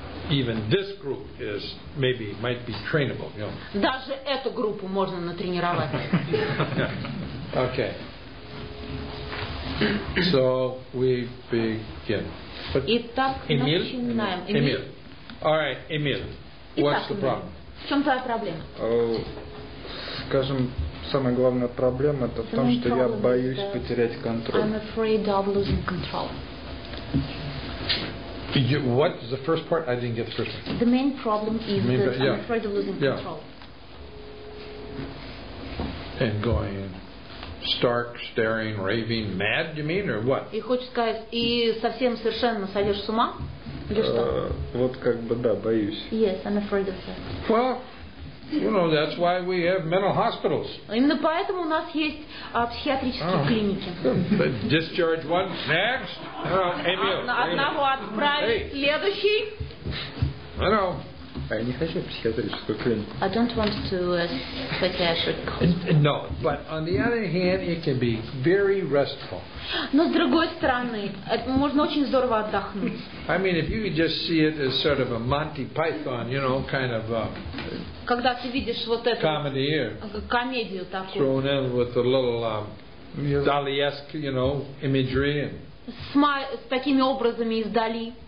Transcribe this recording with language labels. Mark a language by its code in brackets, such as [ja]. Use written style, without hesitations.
[en] Even this group is maybe might be trainable. You know. [ru] Даже эту группу можно натренировать. [en] Okay. So we begin. But [ru] Итак, Эмиль? Начинаем. [en] Эмиль. All right, Эмиль. [ru] Итак, [en] what's the problem? [ru] В чем твоя проблема? Скажем, самая главная проблема это в том, что я боюсь потерять контроль. [en] I'm afraid of losing control. You, what is the first part? I didn't get the first part. The main problem is that I'm afraid of losing control. And going stark, staring, raving, mad, you mean, or what? [ru] И хочешь сказать, и совсем совершенно сойдешь с ума? Или что? Вот как бы, да, боюсь. [en] Yes, I'm afraid of that. Well, you know, that's why we have mental hospitals. [ru] Именно поэтому у нас есть психиатрические клиники. [en] Discharge one, next. [ru] Одного отправить, следующий. [en] I know. [ru] Я не хочу психиатрическую клинику. [en] I don't want to psychiatric hospital. No, but on the other hand, it can be very restful. [ru] Но с другой стороны, можно очень здорово отдохнуть. [en] I mean, if you could just see it as sort of a Monty Python, you know, kind of a [ru] когда ты видишь вот эту комедию такую, [en] thrown in with a little Dali-esque, you know, imagery and [ru] с такими образами из Дали.